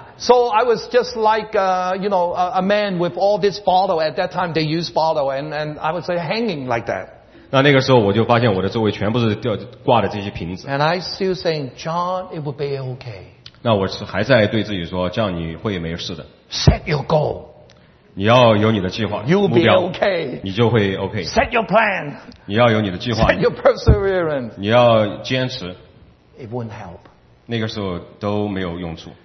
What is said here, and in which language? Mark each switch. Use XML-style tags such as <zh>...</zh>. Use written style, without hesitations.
<en>So I was just like, you know, a man with all this bottle. At that time, they used bottle, and I was hanging like that.</en> <zh>那个时候我就发现我的周围全部是挂的这些瓶子。</zh> <en>And I still saying, John, it will be okay.</en> <zh>那我是还在对自己说，这样你会没事的。</zh> <en>Set your goal.</en> <zh>你要有你的计划。</zh> <en>You will be okay.</en> <zh>你就会 OK.</zh> <en>Set your plan.</en> <zh>你要有你的计划。</zh> <en>Set your perseverance.</en> <zh>你要坚持。</zh> <en>It won't help.</en> <zh>那个时候都没有用处。</zh>